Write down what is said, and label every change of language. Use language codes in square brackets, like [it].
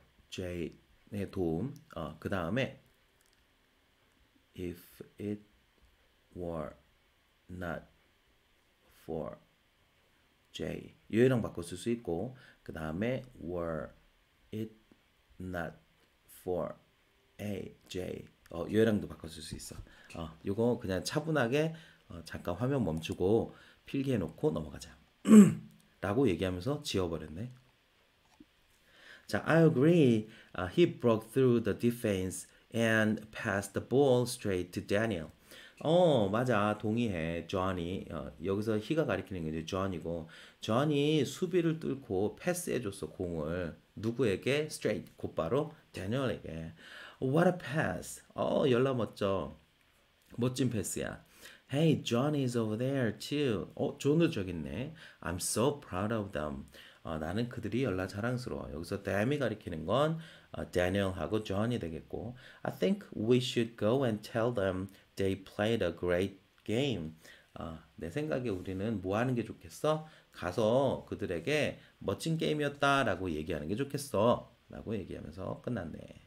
[ko] J의 도움 그 다음에 [en] if it were not for J [ko] 이런 바꿔 쓸수 있고 그 다음에 [en] were it not for AJ [ko] 요령도 바꿔 쓸수 있어. 요거 그냥 차분하게 잠깐 화면 멈추고 필기해 놓고 넘어가자. 라고 얘기하면서 지워버렸네. [en] 자, I agree. He broke through the defense and passed the ball straight to Daniel. [ko] 맞아. 동의해. 조니. 여기서 he가 가리키는 게 이제 조니고 조니 수비를 뚫고 패스해 줬어, 공을. 누구에게? straight 곧바로 Daniel에게. [en] What a pass. [ko] 열나 멋져. 멋진 패스야. [en] Hey, John is over there too. [ko] 존도 저기 있네. [en] I'm so proud of them. [ko] 나는 그들이 열나 자랑스러워. 여기서 them이 가리키는 건 Daniel하고 John이 되겠고. [en] I think we should go and tell them they played a great game. [ko] 내 생각에 우리는 뭐 하는 게 좋겠어? 가서 그들에게 멋진 게임이었다라고 얘기하는 게 좋겠어. 라고 얘기하면서 끝났네.